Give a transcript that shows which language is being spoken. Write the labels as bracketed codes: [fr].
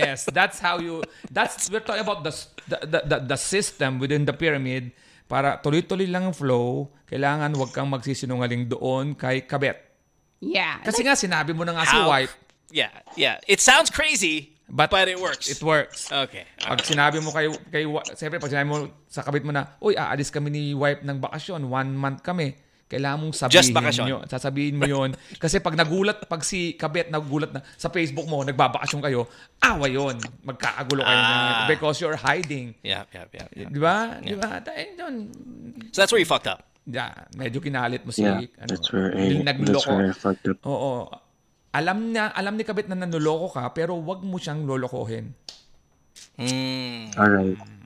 [en] That's how you, we're talking about the system within the pyramid. [tl] Para tuloy-tuloy lang ang flow, kailangan huwag kang magsisinungaling doon kay kabet. [en] Yeah. [tl] Kasi nga, sinabi mo na nga si wife. [en] Yeah. It sounds crazy, but it works. Okay. [tl] Pag sinabi mo kay siyempre, pag sinabi mo sa kabet mo na, uy, aalis kami ni wife ng bakasyon, 1 month kami. Kailangan mong sabihin nyo. Sasabihin mo yon. Kasi pag si Kabet nagulat na sa Facebook mo, nagbabakasyon kayo, awa yon. Magkaagulo kayo. [en] Because you're hiding. Yeah. So that's where you fucked up. [tl] Yeah. Medyo kinalit mo si... [en] Yeah, that's where I fucked up. [tl] Oo. Alam ni Kabet na nanuloko ka, pero wag mo siyang lolokohin. [en] Alright.